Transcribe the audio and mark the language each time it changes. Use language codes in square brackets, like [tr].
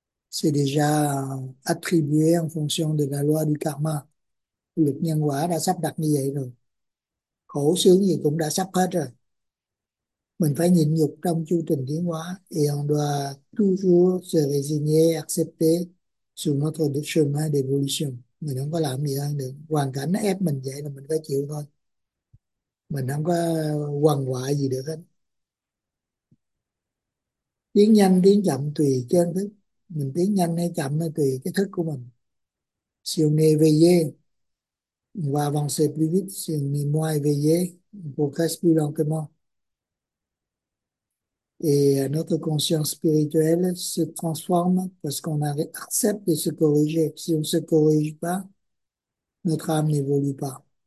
[fr] C'est déjà attribué en fonction de la loi du karma. [vi] Luật nhân quả đã sắp đặt như vậy rồi. Khổ sướng gì cũng đã sắp hết rồi. Mình phải nhịn nhục trong chu trình tiến hóa. [fr] Et on doit toujours se résigner, accepter sur notre chemin d'évolution. [vi] Mình không có làm gì hơn được. Hoàn cảnh nó ép mình vậy là mình phải chịu thôi. Mình không có quằn quại gì được hết. Tiến nhanh, tiến chậm tùy chân thức. Mình tiến nhanh hay chậm hay tùy cái thức của mình. [fr] Si on est éveillé, on va avancer plus vite. Si on est moins éveillé, on progresse plus lentement. Et notre conscience spirituelle se transforme parce qu'on accepte de se corriger. Si on ne se corrige pas, notre âme n'évolue pas.